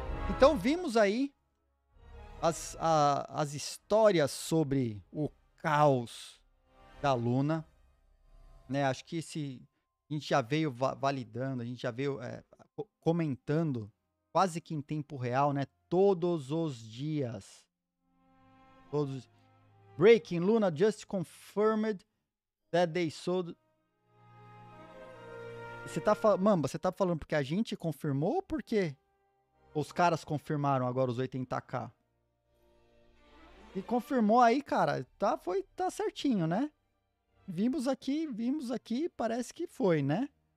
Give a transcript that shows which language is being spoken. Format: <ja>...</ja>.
<pt>Então, vimos aí as histórias sobre o caos da Luna, né? Acho que esse, a gente já veio validando, a gente já veio comentando quase que em tempo real, né? Todos os dias.</pt> <en>Breaking, Luna just confirmed that they sold...</en> <pt>Mamba, você tá falando porque a gente confirmou ou por quê? Os caras confirmaram agora os 80k. E confirmou aí, cara. Tá certinho, né? Vimos aqui, parece que foi, né?</pt>